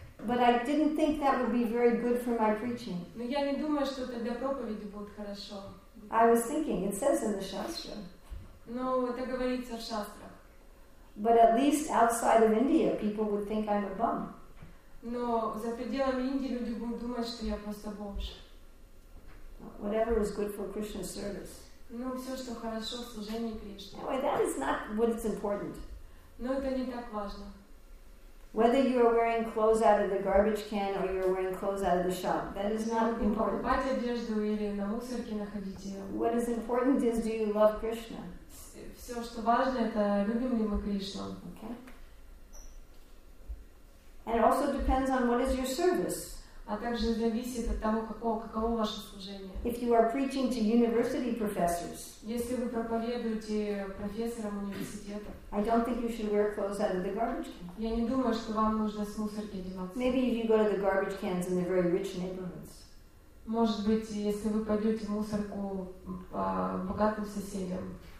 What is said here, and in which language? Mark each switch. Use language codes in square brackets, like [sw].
[en] But I didn't think that would be very good for my preaching. [ru] Но я не думаю, что это для проповеди будет хорошо. [en] I was thinking, it says in the Shastra. [ru] Но это говорится в шастрах. [en] But at least outside of India, people would think I'm a bum. [ru] Но за пределами Индии люди будут думать, что я просто бомж. [en] Whatever is good for Krishna's service. [ru] Ну, все, что хорошо в служении Кришне. [en] Anyway, that is not what is important. [ru] Но это не так важно. [en] Whether you are wearing clothes out of the garbage can or you are wearing clothes out of the shop, that is not important. [ru] Покупать одежду или на мусорке находить ее. [en] What is important is, do you love Krishna? [ru] Все, что важно, это любим ли мы Кришну. [en] Okay. And it also depends on what is your service. [ru] А также зависит от того, каково ваше служение. [en] If you are preaching to university professors, [ru] если вы проповедуете профессорам университета, [en] I don't think you should wear clothes out of the garbage can. [ru] Я не думаю, что вам нужно с мусорки одеваться. [en] Maybe if you go to the garbage cans in the very rich neighborhoods. [ru] Может быть, если вы пойдете в мусорку богатым соседям.